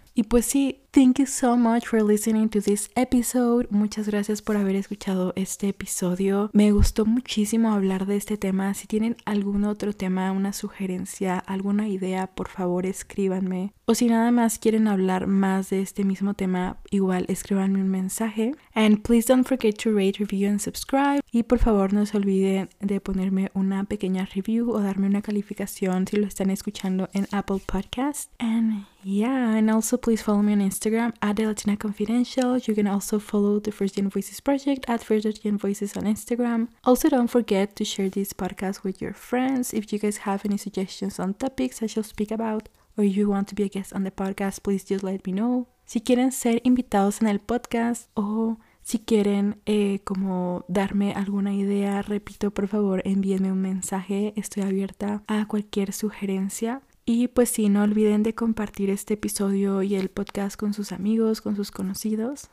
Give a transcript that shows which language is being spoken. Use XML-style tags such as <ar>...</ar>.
<es>Y pues sí,</es> <en>thank you so much for listening to this episode.</en> <es>Muchas gracias por haber escuchado este episodio. Me gustó muchísimo hablar de este tema. Si tienen algún otro tema, una sugerencia, alguna idea, por favor escríbanme. O si nada más quieren hablar más de este mismo tema, igual escríbanme un mensaje.</es> <en>And please don't forget to rate, review and subscribe.</en> <es>Y por favor no se olviden de ponerme una pequeña review o darme una calificación si lo están escuchando en Apple Podcast.</es> <en>And yeah, and also please follow me on Instagram @delatinaconfidential. You can also follow the First Gen Voices Project @FirstGenVoices on Instagram. Also, don't forget to share this podcast with your friends. If you guys have any suggestions on topics I shall speak about, or you want to be a guest on the podcast, please just let me know.</en> <es>Si quieren ser invitados en el podcast o si quieren como darme alguna idea, repito, por favor envíenme un mensaje. Estoy abierta a cualquier sugerencia. Y pues sí, no olviden de compartir este episodio y el podcast con sus amigos, con sus conocidos.</es>